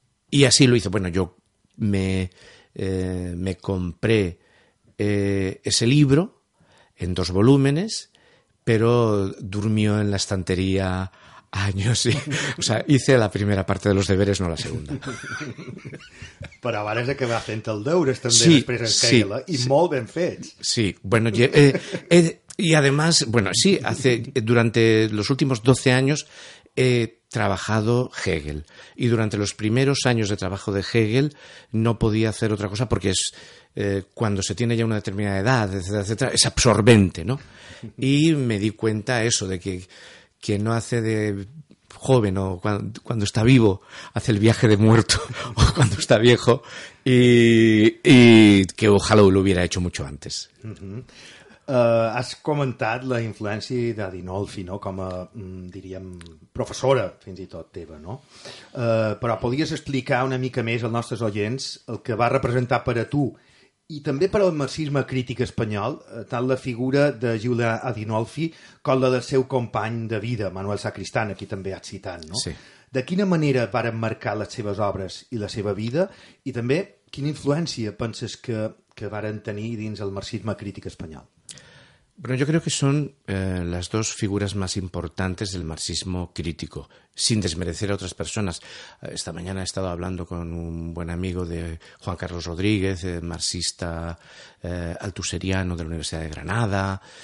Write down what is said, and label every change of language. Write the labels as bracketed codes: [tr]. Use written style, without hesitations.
[es] Y así lo hizo. Bueno, yo me compré ese libro en dos volúmenes, pero durmió en la estantería años. Y, o sea, hice la primera parte de los deberes, no la segunda. [ca] Però a vegades acaba fent el deures també, sí, després en caia-la, sí, i sí. Molt ben fets. [es] Sí, bueno, y además, bueno, sí, durante los últimos 12 años he trabajado Hegel, y durante los primeros años de trabajo de Hegel no podía hacer otra cosa porque es... cuando se tiene ya una determinada edad, etcétera, etcétera, es absorbente, ¿no? Y me di cuenta eso, de que quien no hace de joven o cuando está vivo, hace el viaje de muerto o cuando está viejo, y que ojalá lo hubiera hecho mucho antes. Uh-huh. [ca] Has comentat la influència de Dinolfi, no? Com a, diríem, professora, fins i tot teva, no? Però podries explicar una mica més als nostres oients el que va representar per a tu i també per al marxisme crític espanyol, tant la figura de Giulia Dinolfi com la del seu company de vida, Manuel Sacristán, aquí també has citat, no? Sí. De quina manera varen marcar les seves obres i la seva vida, i també quina influència penses que varen tenir dins el marxisme crític espanyol? [es] Bueno, yo creo que son las dos figuras más importantes del marxismo crítico, sin desmerecer a otras personas. Esta mañana he estado hablando con un buen amigo de Juan Carlos Rodríguez, marxista altuseriano de la Universidad de Granada.